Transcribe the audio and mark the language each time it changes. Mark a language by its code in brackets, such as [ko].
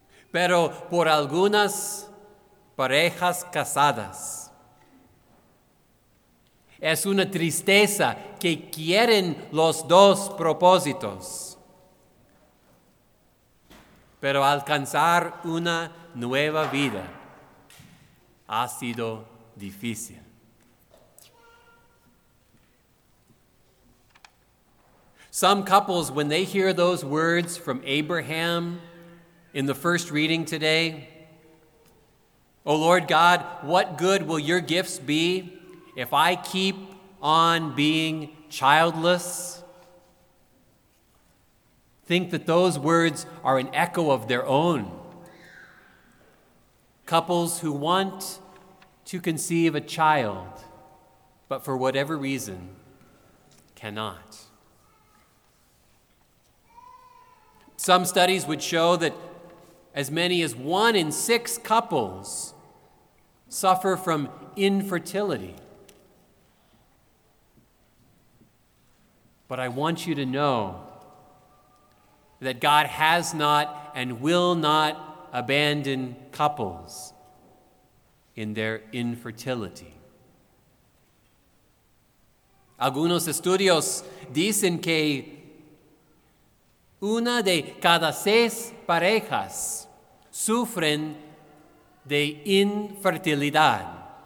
[es] Pero por algunas parejas casadas, es una tristeza que quieren los dos propósitos, pero alcanzar una nueva vida ha sido difícil. [en] Some couples, when they hear those words from Abraham in the first reading today, "O Lord God, what good will your gifts be if I keep on being childless?" think that those words are an echo of their own. Couples who want to conceive a child, but for whatever reason, cannot. Some studies would show that as many as 1 in 6 couples suffer from infertility. But I want you to know that God has not and will not abandon couples in their infertility. [es] Algunos estudios dicen que una de cada 6 parejas sufren de infertilidad.